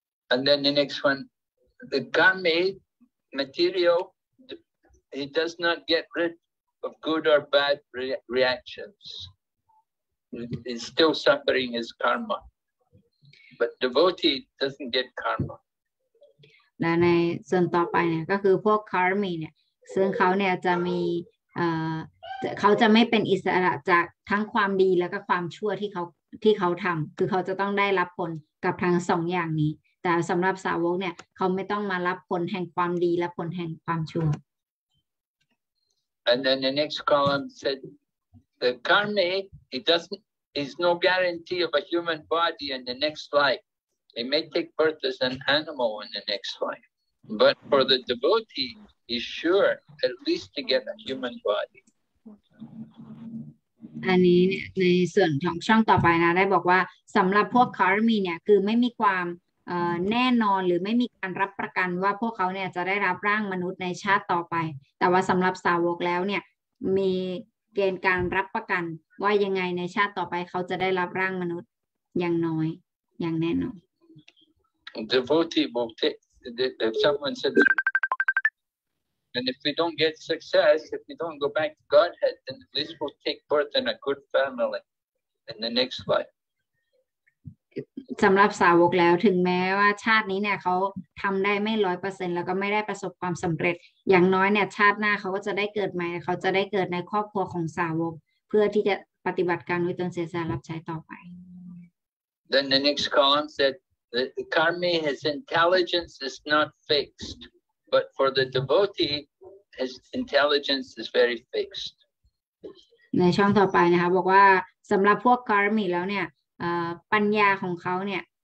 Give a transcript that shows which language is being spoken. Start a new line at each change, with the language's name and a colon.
English: And then the next one, the karmi material, he does not get rid of good or bad reactions. He's still suffering his karma. But devotee doesn't get karma. And in the next one, it's the karmi, which will have
Thai: เขาจะไม่เป็นอิสระจากทั้งความดีแล้วก็ความชั่วที่เขาทำคือเขาจะต้องได้รับผลกับทั้งสองอย่างนี้แต่สำหรับสาวกเนี่ยเขาไม่ต้องมารับผลแห่งความดีและผลแห่งความชั่ว
English: And then the next column said the karma is no guarantee of a human body in the next life. He may take birth as an animal in the next life, but for the devotee, he's sure at least to get a human body.
Thai: อันนี้ในส่วนของช่องต่อไปนะได้บอกว่าสำหรับพวกคาร์มีเนี่ยคือไม่มีความแน่นอนหรือไม่มีการรับประกันว่าพวกเขาเนี่ยจะได้รับร่างมนุษย์ในชาติต่อไปแต่ว่าสำหรับสาวกแล้วเนี่ยมีเกณฑ์การรับประกันว่ายังไงในชาติต่อไปเขาจะได้รับร่างมนุษย์อย่างน้อยอย่างแน่นอน
English: Devotee will take if someone said And if we don't get success, if we don't go back to Godhead, then at least we'll take birth in a good family in the next life.
Thai: สำหรับสาวกแล้วถึงแม้ว่าชาตินี้เนี่ยเขาทำได้ไม่ 100% แล้วก็ไม่ได้ประสบความสำเร็จอย่างน้อยเนี่ยชาติหน้าเขาก็จะได้เกิดใหม่เขาจะได้เกิดในครอบครัวของสาวกเพื่อที่จะปฏิบัติการด้วยตนเสียสละรับใช้ต่อไป
English: Then the next column said the karmi his intelligence is not fixed. But for the devotee, his intelligence is very fixed.
Thai: ในช่องต่อไปนะคะบอกว่าสำหรับพวกคาร์มีแล้วเนี่ยปัญญาของเขาเนี่ย